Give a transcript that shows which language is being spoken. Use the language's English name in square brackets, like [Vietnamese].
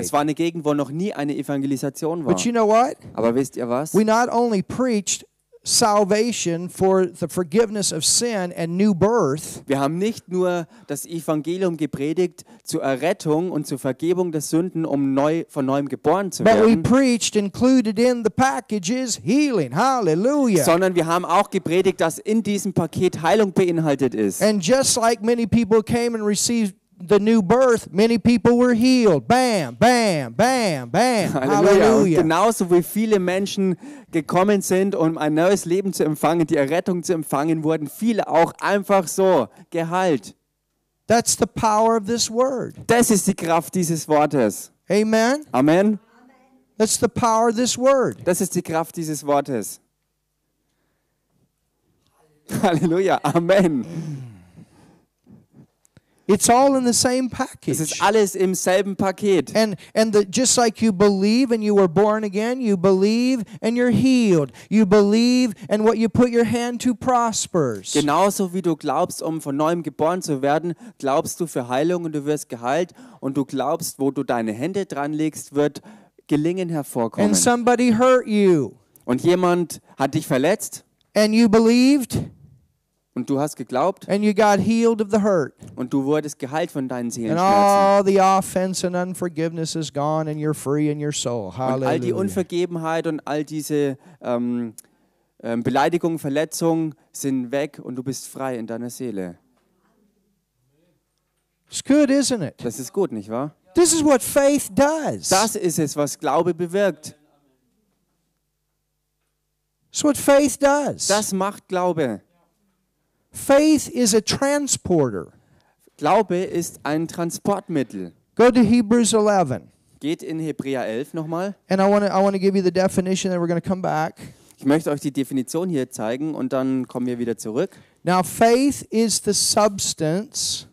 [German] Es war eine Gegend, wo noch nie eine Evangelisation war. [English] But you know what? [German] Aber wisst ihr was? [English] We not only preached salvation for the forgiveness of sin and new birth. [German] Wir haben nicht nur das Evangelium gepredigt zur Errettung und zur Vergebung der Sünden, um von neuem geboren zu werden. [English] But we preached included in the packages healing. Hallelujah. [German] Sondern wir haben auch gepredigt, dass in diesem Paket Heilung beinhaltet ist. [English] And just like many people came and received the new birth, many people were healed. Bam, bam, bam, bam. [German] Halleluja. Genauso wie viele Menschen gekommen sind, um ein neues Leben zu empfangen, die Errettung zu empfangen, wurden viele auch einfach so geheilt. [English] That's the power of this word. [German] Das ist die Kraft dieses Wortes. [English] Amen. [German] Amen. [English] That's the power of this word. [German] Das ist die Kraft dieses Wortes. Halleluja. Amen. [English] It's all in the same package. [German] Es ist alles im selben Paket. [English] And just like you believe and you were born again, you believe and you're healed. You believe and what you put your hand to prospers. [German] Genauso wie du glaubst, um von neuem geboren zu werden, glaubst du für Heilung und du wirst geheilt. Und du glaubst, wo du deine Hände dran legst, wird Gelingen hervorkommen. [English] And somebody hurt you. [German] Und jemand hat dich verletzt. [English] And you believed. [German] Und du hast geglaubt. [English] And you got healed of the hurt. [German] Und du wurdest geheilt von deinen Seelenschmerzen. [English] And all the offense and unforgiveness is gone, and you're free in your soul. Hallelujah. [German] Und all die Unvergebenheit und all diese Beleidigungen, Verletzungen sind weg, und du bist frei in deiner Seele. [English] It's good, isn't it? [German] Das ist gut, nicht wahr? [English] This is what faith does. [German] Das ist es, was Glaube bewirkt. [English] It's what faith does. [German] Das macht Glaube. [English] Faith is a transporter. [German] Glaube ist ein Transportmittel. [English] Go to Hebrews 11. [German] Geht in Hebräer 11 nochmal. [English] And I want to give you the definition, and we're going to come back. [German] Ich möchte euch die Definition hier zeigen, und dann kommen wir wieder zurück. [English] Now faith is the substance.